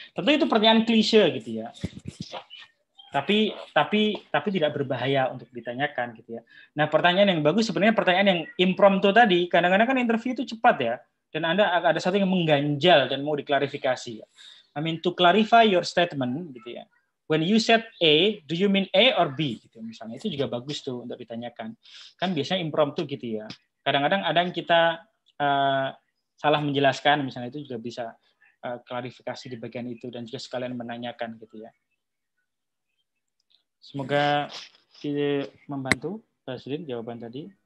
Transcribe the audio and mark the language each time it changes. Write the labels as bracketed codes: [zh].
[id] Tentu itu pertanyaan klise gitu ya. Tapi tidak berbahaya untuk ditanyakan gitu ya. Nah, pertanyaan yang bagus sebenarnya pertanyaan yang impromptu tadi. Kadang-kadang kan interview itu cepat ya, dan Anda ada satu yang mengganjal dan mau diklarifikasi. [en] I mean, to clarify your statement gitu ya. When you said A, do you mean A or B? [id] Gitu, misalnya itu juga bagus tuh untuk ditanyakan. Kan biasanya impromptu gitu ya. Kadang-kadang ada yang kita salah menjelaskan, misalnya itu juga bisa klarifikasi di bagian itu dan juga sekalian menanyakan gitu ya. Semoga ini membantu, Baslin, jawaban tadi.